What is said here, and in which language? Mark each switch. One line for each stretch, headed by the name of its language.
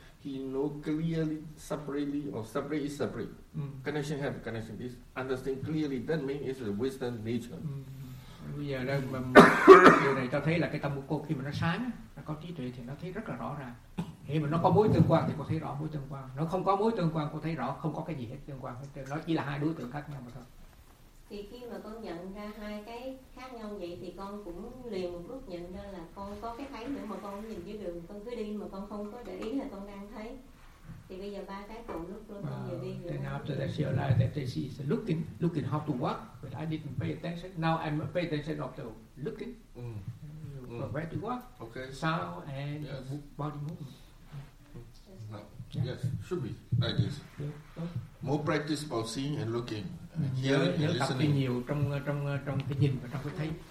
English: He know clearly separately or separate is separate. Connection have connection. This understand clearly. That means it's a wisdom nature.
Vietnamese: bây giờ đây điều này tao thấy là cái tâm của cô khi mà nó sáng, nó có trí tuệ thì nó thấy rất là rõ ràng. Khi mà nó có mối tương quan thì cô thấy rõ mối tương quan. Nó không có mối tương quan cô thấy rõ không có cái gì hết tương quan. Nó chỉ là hai đối tượng khác nhau mà thôi. Thì khi mà con nhận ra hai cái khác nhau vậy thì con cũng liền một lúc nhận ra là con có cái thấy nữa mà con không nhìn dưới đường, con cứ đi mà con không có để ý là con đang thấy. Thì bây giờ ba cái cùng lúc luôn con vừa đi vừa thấy.
English: Then after that she realized that she is looking how to walk, but I didn't pay attention. Now I'm pay attention of the looking. Where to walk? Okay. Sound and body movement. Yes, should be like this. More practice about seeing and looking, hearing and listening.
Vietnamese: Nhiều trong cái nhìn và trong cái thấy.